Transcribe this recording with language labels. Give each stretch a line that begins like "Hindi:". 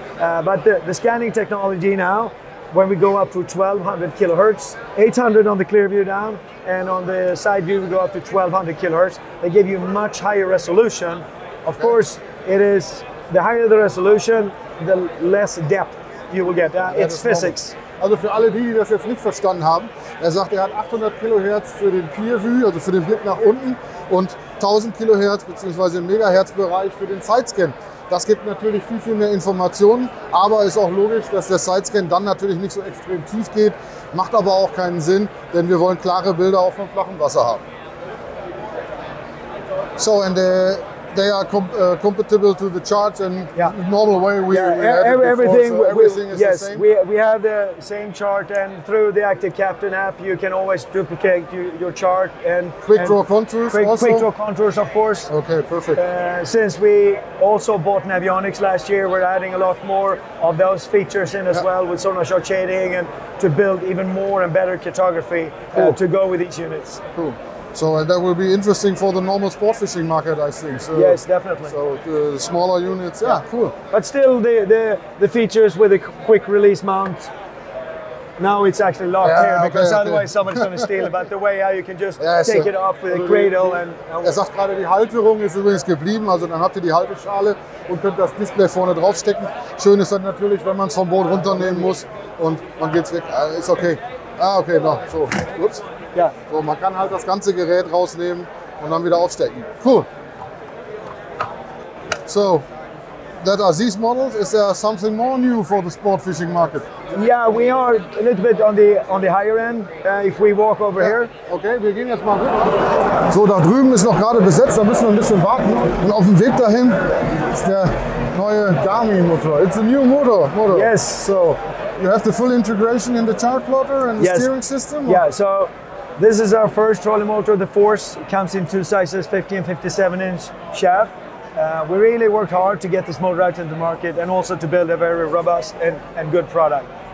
English: But the scanning technology now, when we go up to 1200 kilohertz, 800 on the clear view down, and on the side view we go up to 1200 kilohertz, they give you much higher resolution. Of course, it is the higher the resolution, the less depth you will get. It's physics.
German: Also für alle die das jetzt nicht verstanden haben, er sagt, er hat 800 kHz für den Peer View, also für den Blick nach unten, und 1000 kHz bzw. Megahertz Bereich für den Sidescan. Das gibt natürlich viel, viel mehr Informationen, aber ist auch logisch, dass der Sidescan dann natürlich nicht so extrem tief geht, macht aber auch keinen Sinn, denn wir wollen klare Bilder auch vom flachen Wasser haben.
English: So, and they are compatible to the charts and normal way we have the same chart, and through the Active Captain app you can always duplicate your chart and quick draw contours of course. Okay, perfect. Since we also bought Navionics last year, we're adding a lot more of those features in as well, with sonar shot shading, and to build even more and better cartography to go with each units. Cool. So that will be interesting for the normal sport fishing market, I think. So, yes, definitely. So the smaller units, cool. But still the features with the quick release mount, now it's actually locked otherwise someone's going to steal it. But the way you can just take it off with a cradle and...
German: Er sagt gerade, die Halterung ist übrigens geblieben, also dann habt ihr die Halteschale und könnt das Display vorne draufstecken. Schön ist dann natürlich, wenn man es vom Boot runternehmen muss und man geht's weg. Ist okay. So, man kann halt das ganze Gerät rausnehmen und dann wieder aufstecken. Cool. So, that are these models.
English: Is there something more new for the sport fishing market? Yeah, we are a little bit on the higher end. If we walk over here.
German: Okay, wir gehen jetzt mal rüber. So, da drüben ist noch gerade besetzt. Da müssen wir ein bisschen warten. Und auf dem Weg dahin ist der neue Garmin Motor.
English: It's a new motor. Yes. So, you have the full integration in the chart plotter and the steering system. Or? Yeah. So. This is our first trolling motor. The Force comes in two sizes, 50 and 57 inch shaft. We really worked hard to get this motor out in the market and also to build a very robust and good product.